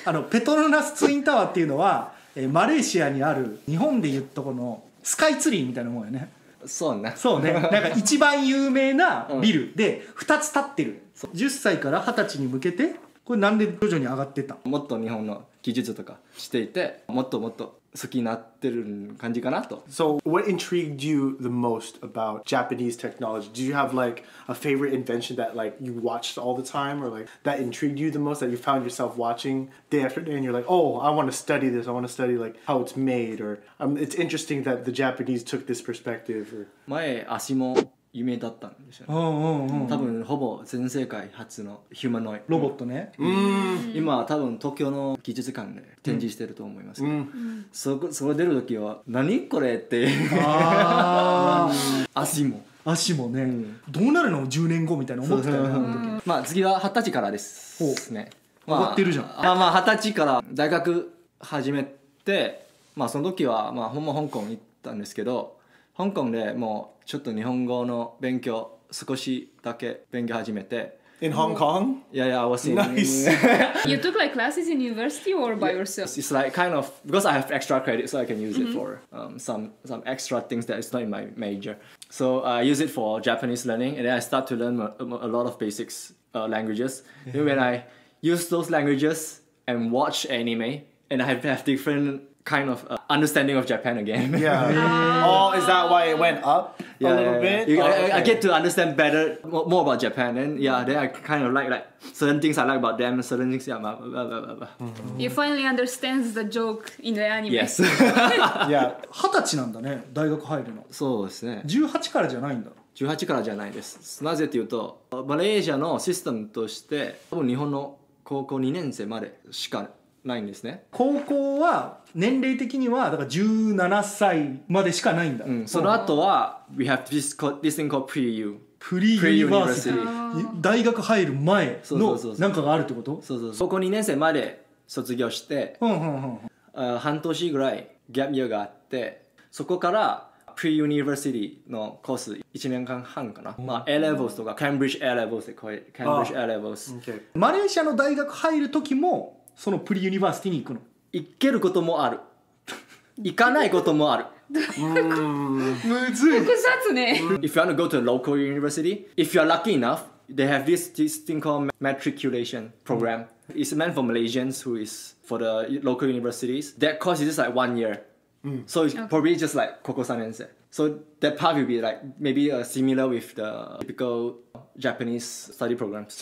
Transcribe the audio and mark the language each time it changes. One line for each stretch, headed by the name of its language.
Japanese: ペトロナスツインタワーっていうのは、マレーシアにある日本で言うとこのスカイツリーみたいなもんよね。そうね。そうね。なんか一番有名なビルで2つ建ってる。 10歳から20歳に向けて、これなんで徐々に上がってた？もっと日本の技術とかしていて、もっともっと好きになってる感じかなと。
English: So, what intrigued you the most about Japanese technology? Do you have like a favorite invention that like you watched all the time or like that intrigued you the most that you found yourself watching day after day and you're like, oh, I want to study this. I want to study like how it's made or it's interesting that the Japanese took this perspective.
Japanese: 前足も有名だったんですよ。多分ほぼ全世界初のヒューマノイロボットね。今は多分東京の技術館で展示してると思います。それ出る時は何これって。足もね、どうなるの10年後みたいな思ってたよ。まあ次は20歳からですね。終わってるじゃん。まあ20歳から大学始めて、まあその時はまあほんま香港行ったんですけど、香港でもうちょっと日本語の勉強少しだけ勉強始めて。
English: In Hong Kong? Yeah, yeah, I was in... Nice! You took like classes in university or by yourself? It's like kind of... Because I have extra credit, so I can use it for some extra things that is not in my major. So I use it for Japanese learning, and then I start to learn a lot of basics languages. Then when I use those languages and watch anime, and I have different... kind of understanding of Japan again. Yeah. Oh, is that why it went up a little bit? I get to understand better, more about Japan. And then I kind of like certain things I like about them, certain things, blah, blah, blah, blah. You finally understand the joke in the anime. Yes. Yeah.
Japanese: 20歳なんだね、大学入るの。そうですね。 18からじゃないんだ。 18からじゃないです。なぜというと、マレーシアのシステムとして、多分日本の高校2年生までしかないんですね。高校は年齢的にはだから17歳までしかないんだ。その後は
English: we have this thing called pre-U。 pre-university。
Japanese: 大学入る前のなんかがあるってこと？そうそうそう。高校2年生まで卒業して、半年ぐらいギャップがあって、そこから pre-university のコース1年間半かな、うん、まあ A levels とか Cambridge A levels で来い Cambridge A levels、
English: okay.
Japanese: マレーシアの大学入る時もそのプリユニバーシティに行くの行けることもある行かないこともあるむずい複雑ね
English: If you want to go to a local university If you are lucky enough They have this thing called matriculation program、うん、It's meant for Malaysians who is for the local universities That course is just like 1 year、うん、So it's、okay. probably just like
Japanese: ここ3年生
English: So that part will be like maybe、similar with the typical Japanese study programs